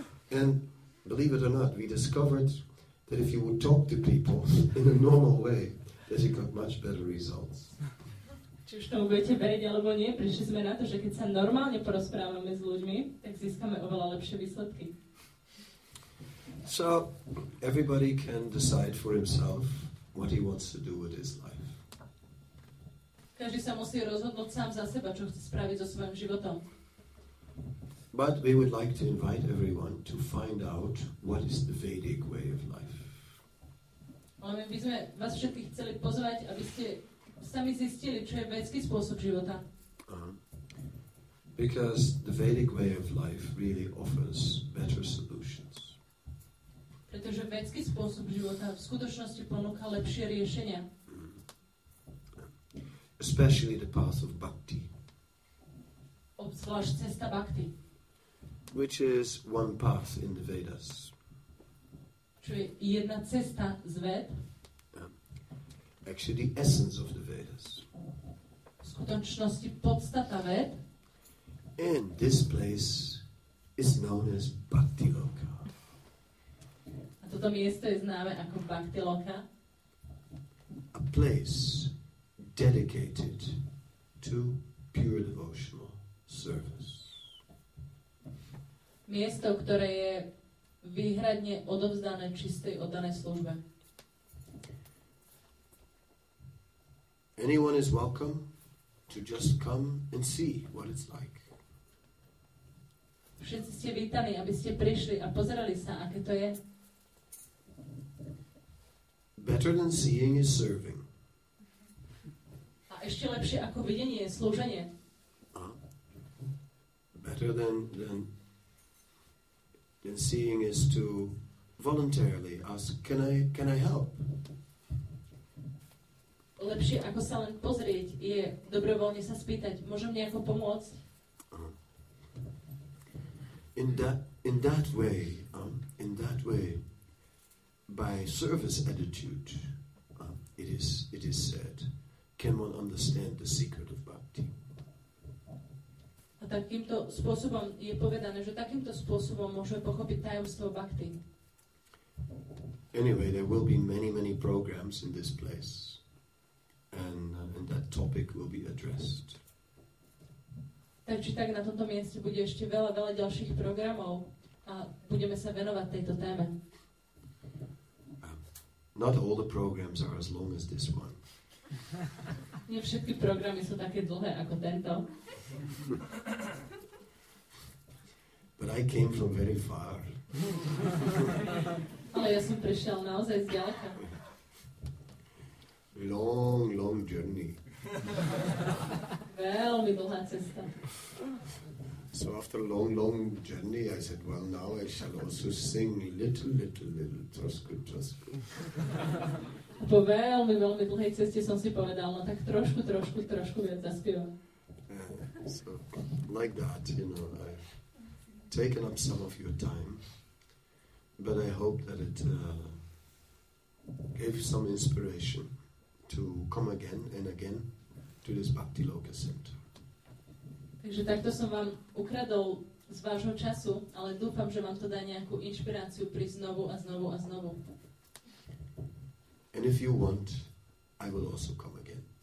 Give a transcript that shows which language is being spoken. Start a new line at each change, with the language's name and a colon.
English: And believe it or not, we discovered that if you would talk to people in a normal way, that you got much better results.
Slovak: Či už tomu budete veriť alebo nie, prišli sme na to, že keď sa normálne porozprávame s ľuďmi, tak získame oveľa lepšie výsledky.
English: So, everybody can decide for himself what he wants to do with his life.
Slovak: Každý sa musí rozhodnúť sám za seba, čo chce spraviť so svojím životom.
English: But we would like to invite everyone to find out what is the Vedic way of life.
Slovak: Ale my by sme vás všetkých chceli pozvať, aby ste sami zistili, čo je vedský spôsob života.
English: Because the Vedic way of life really offers better solutions.
Slovak: Pretože vedský spôsob života v skutočnosti ponúka lepšie riešenia.
English: especially the path of bhakti.
Slovak: Obzvlášť cesta bhakti.
English: Which is one path in the Vedas.
Slovak: Čo je jedna cesta z Ved?
English: Actually the essence of the Vedas.
Slovak: V skutočnosti podstata Ved.
English: And this place is known as Bhakti Loka.
Slovak: A toto miesto je známe ako Bhakti Loka.
English: A place dedicated to pure devotional service.
Slovak: Miesto, ktoré je výhradne odovzdané čistej oddanej službe.
English: Anyone is welcome to just come and see what it's like.
Slovak: Všetci ste vítaní, aby ste prišli a pozerali sa, aké to je.
English: Better than seeing is serving.
Slovak: A ešte lepšie ako videnie je slúženie.
English: Better than seeing is to voluntarily ask, can I help?
Slovak: Lepšie ako sa len pozrieť je dobrovoľne sa spýtať, môžem nejako pomôcť?
English: In that way, by service attitude, it is said, can one understand the secret of bhakti?
Slovak: A takýmto spôsobom je povedané, že takýmto spôsobom môžeme pochopiť tajomstvo bhakti.
English: Anyway, there will be many, many programs in this place, and that topic will be addressed.
Slovak: Tak či tak, na tomto mieste bude ešte veľa, veľa ďalších programov a budeme sa venovať tejto téme.
English: Not all the programs are as long as this one.
Slovak: Nie všetky programy sú také dlhé ako tento.
English: But I came from very far.
Slovak: Ale ja som prišiel naozaj z ďaleka.
English: Long, long journey.
Slovak: Veľmi dlhá cesta.
English: So after a long, long journey, I said, well, now I shall also sing little, little, little,
Slovak: trošku, trošku. A po veľmi, veľmi dlhej ceste som si povedal, no tak trošku, trošku, trošku viac zaspievam.
English: So, like that, you know, I've taken up some of your time, but I hope that it gave you some inspiration to come again and again to this Bhakti Loka Center.
Slovak: Takže takto som vám ukradol z vášho času, ale dúfam, že vám to dá nejakú inšpiráciu prísť znovu a znovu a znovu.
English: And if you want, I will also come again.